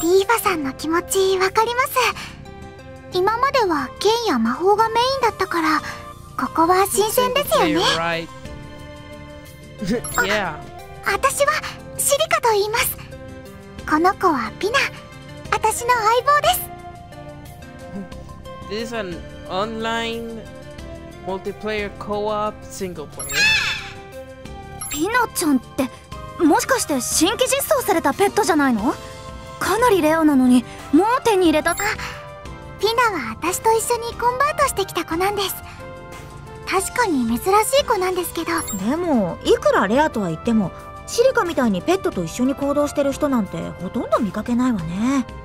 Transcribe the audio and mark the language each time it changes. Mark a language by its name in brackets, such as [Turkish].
[Japanese] しい。ティーバさんの気持ち分かります。今までは剣や魔法がメインだったから、ここは新鮮ですよね。私はシリカと言います。この子はピナ、私の相棒です。 [English] This is an online multiplayer co-op single player. [Japanese] ピナちゃんってもしかして新規実装されたペットじゃないの？かなりレアなのにもう手に入れた。あ、ピナは私と一緒にコンバートしてきた子なんです。確かに珍しい子なんですけど。でもいくらレアとは言ってもシリカみたいにペットと一緒に行動してる人なんてほとんど見かけないわね。